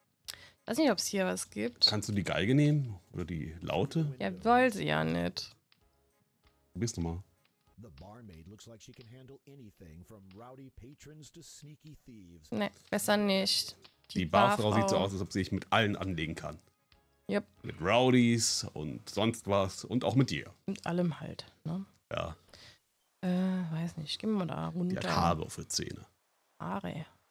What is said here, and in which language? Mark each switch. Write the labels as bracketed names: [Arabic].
[German] Ich weiß nicht, ob es hier was gibt. Kannst du die Geige nehmen? Oder die Laute? Ja, wollte sie ja nicht. Probier's nochmal. [English] The barmaid looks like she can handle anything from rowdy patrons to sneaky thieves. [German] Nee, besser nicht. Die Barfrau sieht so aus, als ob sie sich mit allen anlegen kann. [English] Yep. [German] Mit Rowdies und sonst was und auch mit dir. Mit allem halt, ne? Ja. Weiß nicht, gehen wir mal da runter. Die hat Haare auf der Zähne. Haare.